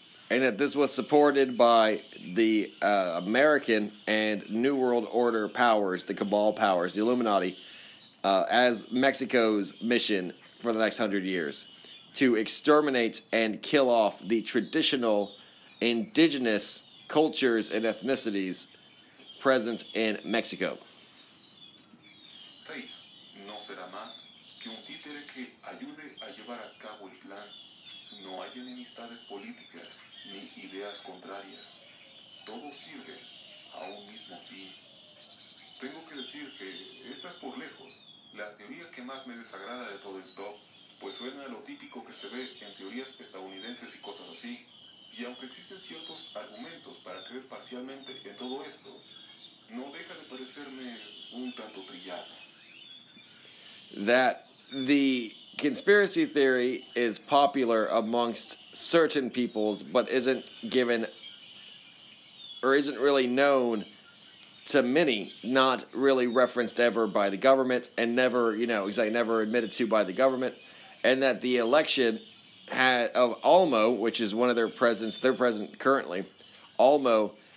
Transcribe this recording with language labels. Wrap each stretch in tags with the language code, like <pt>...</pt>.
<en>And that this was supported by the American and New World Order powers, the Cabal powers, the Illuminati, as Mexico's mission for the next 100 years, to exterminate and kill off the traditional indigenous cultures and ethnicities present in Mexico.</en> <es>Seis, no será más que un títere que ayude a llevar a cabo el plan. No hay enemistades políticas ni ideas contrarias. Todo sirve a un mismo fin. Tengo que decir que estás por lejos. La teoría que más me desagrada de todo el top, pues suena a lo típico que se ve en teorías estadounidenses y cosas así. Y aunque existen ciertos argumentos para creer parcialmente en todo esto, no deja de parecerme un tanto trillado.</es> <en>That the conspiracy theory is popular amongst certain peoples, but isn't given or isn't really known to many, not really referenced ever by the government, and never, you know, exactly never admitted to by the government, and that the election of Almo, which is one of their presidents, their president currently, Almo,</en>